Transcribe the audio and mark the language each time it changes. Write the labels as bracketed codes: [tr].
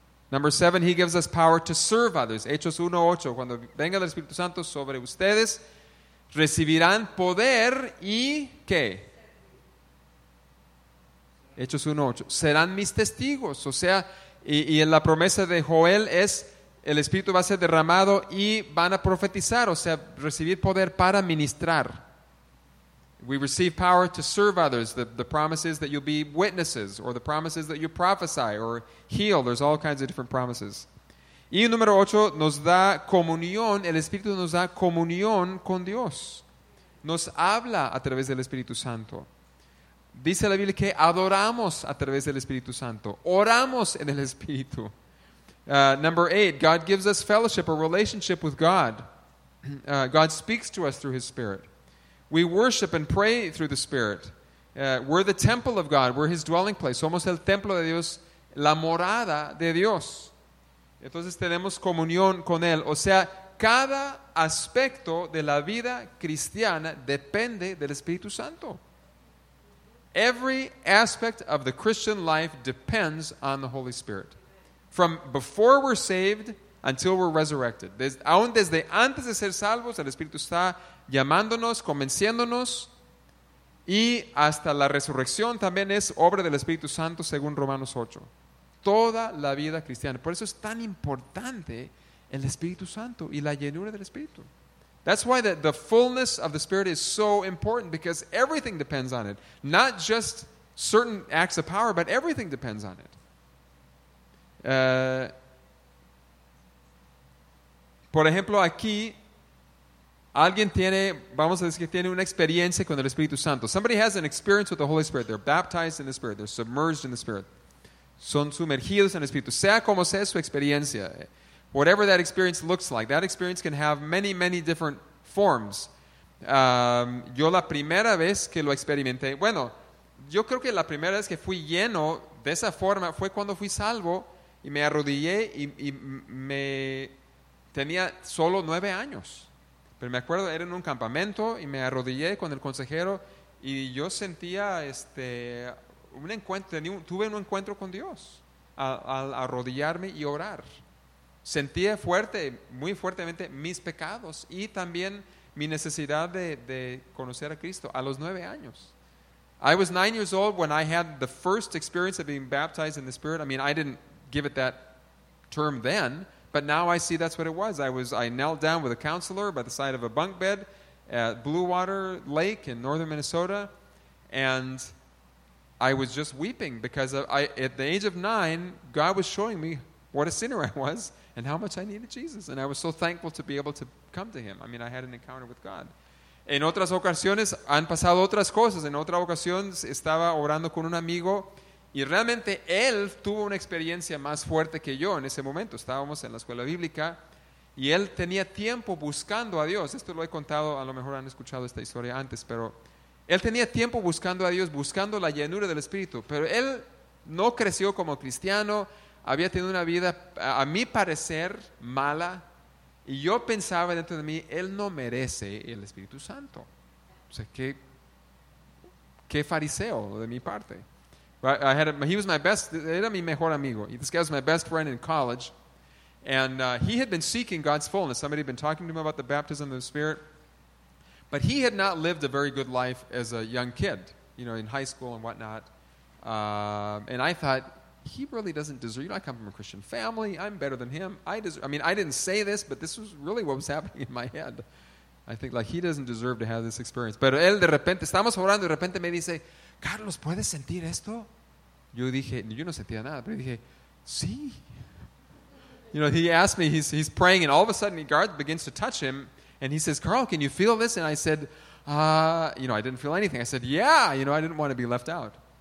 [en] Number 7, He gives us power to serve others. [es] Hechos 1:8, cuando venga el Espíritu Santo sobre ustedes, recibirán poder y ¿qué? Hechos 1:8, serán mis testigos, o sea, y en la promesa de Joel es, el Espíritu va a ser derramado y van a profetizar, o sea, recibir poder para ministrar. [en] We receive power to serve others. The promise is that you'll be witnesses, or the promise is that you prophesy, or heal. There's all kinds of different promises. [es] Y número 8, nos da comunión, el Espíritu nos da comunión con Dios. Nos habla a través del Espíritu Santo. Dice la Biblia que adoramos a través del Espíritu Santo. Oramos en el Espíritu. [en] Number 8, God gives us fellowship, a relationship with God. God speaks to us through His Spirit. We worship and pray through the Spirit. We're the temple of God. We're His dwelling place. [es] Somos el templo de Dios, la morada de Dios. Entonces tenemos comunión con Él. O sea, cada aspecto de la vida cristiana depende del Espíritu Santo. [en] Every aspect of the Christian life depends on the Holy Spirit. From before we're saved until we're resurrected. [es] Aún desde antes de ser salvos, el Espíritu está llamándonos, convenciéndonos. Y hasta la resurrección también es obra del Espíritu Santo, según Romanos 8. Toda la vida cristiana. Por eso es tan importante el Espíritu Santo y la llenura del Espíritu. [en] That's why the fullness of the Spirit is so important, because everything depends on it. Not just certain acts of power, but everything depends on it. [es] Por ejemplo, aquí, alguien tiene, vamos a decir que tiene una experiencia con el Espíritu Santo. [en] Somebody has an experience with the Holy Spirit. They're baptized in the Spirit. They're submerged in the Spirit. [es] Son sumergidos en el Espíritu. Sea como sea su experiencia. [en] Whatever that experience looks like, that experience can have many, many different forms. [es] Yo la primera vez que lo experimenté, bueno, yo creo que la primera vez que fui lleno de esa forma fue cuando fui salvo Y me arrodillé y me tenía solo 9 años. Pero me acuerdo, era en un campamento y me arrodillé con el consejero y yo sentía un encuentro, tuve un encuentro con Dios al arrodillarme y orar. Sentía fuerte, muy fuertemente, mis pecados y también mi necesidad de conocer a Cristo a los 9 años. [en] I was 9 years old when I had the first experience of being baptized in the Spirit. I mean, I didn't give it that term then, but now I see that's what it was. I knelt down with a counselor by the side of a bunk bed at Blue Water Lake in northern Minnesota, and I was just weeping because at the age of 9, God was showing me what a sinner I was and how much I needed Jesus, and I was so thankful to be able to come to Him. I mean, I had an encounter with God. [es] En otras ocasiones han pasado otras cosas. En otra ocasión estaba orando con un amigo y realmente él tuvo una experiencia más fuerte que yo en ese momento. Estábamos en la escuela bíblica y él tenía tiempo buscando a Dios. Esto lo he contado, a lo mejor han escuchado esta historia antes, pero él tenía tiempo buscando a Dios, buscando la llenura del Espíritu. Pero él no creció como cristiano, había tenido una vida, a mi parecer, mala. Y yo pensaba dentro de mí, él no merece el Espíritu Santo. O sea, qué fariseo de mi parte. Era mi mejor amigo. [en] This guy was my best friend in college. And he had been seeking God's fullness. Somebody had been talking to him about the baptism of the Spirit. But he had not lived a very good life as a young kid, you know, in high school and whatnot. And I thought, he really doesn't deserve, you know, I come from a Christian family, I'm better than him. I didn't say this, but this was really what was happening in my head. I think, like, he doesn't deserve to have this experience. [es] Pero él de repente, estamos orando, de repente me dice, Carlos, ¿puedes sentir esto? Yo dije, yo no sentía nada, pero dije, sí. [en] You know, he asked me, he's praying, and all of a sudden, God begins to touch him, and he says, Carl, can you feel this? And I said, I didn't feel anything. I said, yeah, you know, I didn't want to be left out.